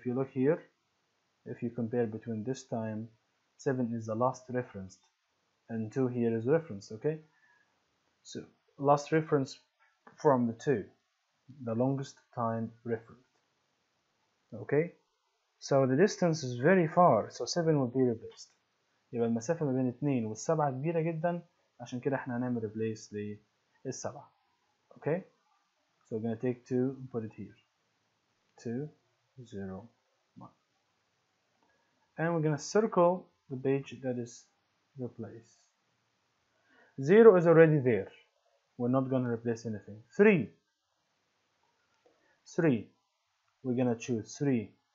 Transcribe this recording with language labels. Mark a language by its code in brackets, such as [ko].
[en] If you look here, if you compare between this time, 7 is the last referenced. And 2 here is referenced, okay? So last reference from the two. The longest time referenced. Okay? So the distance is very far, so 7 will be replaced. [ar] يبقى المسافة ما بين 2 والسبعة كبيرة جدا، عشان كده احنا هنعمل replace للسبعة. [en] Okay? So we're gonna take 2 and put it here. 2, 0, 1. And we're gonna circle the page that is replaced. 0 is already there. We're not gonna replace anything. 3. 3. We're gonna choose 3.